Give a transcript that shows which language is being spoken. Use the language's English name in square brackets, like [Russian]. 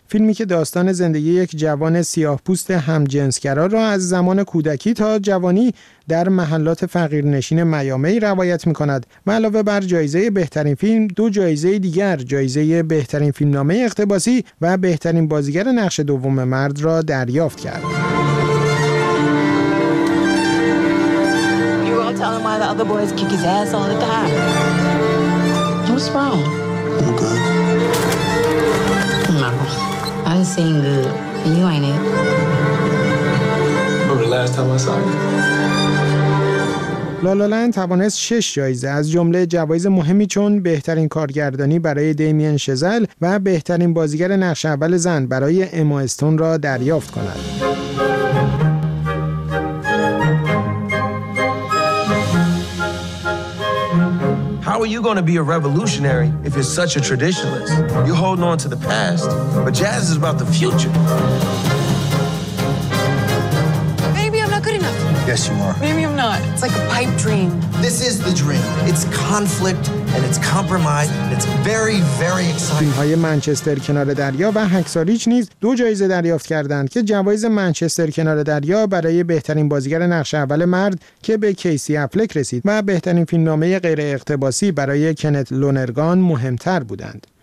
[Persian] فیلمی که داستان زندگی یک جوان سیاه پوست همجنسگرا را از زمان کودکی تا جوانی در محلات فقیرنشین میامی روایت می‌کند. علاوه بر جایزه بهترین فیلم، دو جایزه دیگر، جایزه بهترین فیلمنامه اقتباسی و بهترین بازیگر نقش دوم مرد را دریافت کرد. [English] You won't tell him why the other boys kick his ass all the time. What's wrong? I was saying good, and you ain't it. Remember the last time I saw you? [Persian] لالالند توانست 6 جایزه از جمله جوایز مهمی چون بهترین کارگردانی برای دیمین شزل و بهترین بازیگر نقش اول زن برای اما استون را دریافت کند. [English] How are you going to be a revolutionary if you're such a traditionalist? You're holding on to the past, but jazz is about the future. Yes, you are. Maybe I'm not. It's like a pipe dream. This is the dream. It's conflict and it's compromise. It's very, very exciting. [Persian] فیلم‌های منچستر کنار دریا و هکساریچ نیز دو جایزه دریافت کردند که جوایز منچستر کنار دریا برای بهترین بازیگر نقش اول مرد که به کیسی افلک رسید و بهترین فیلمنامه غیر اقتباسی برای کنت لونرگان مهمتر بودند.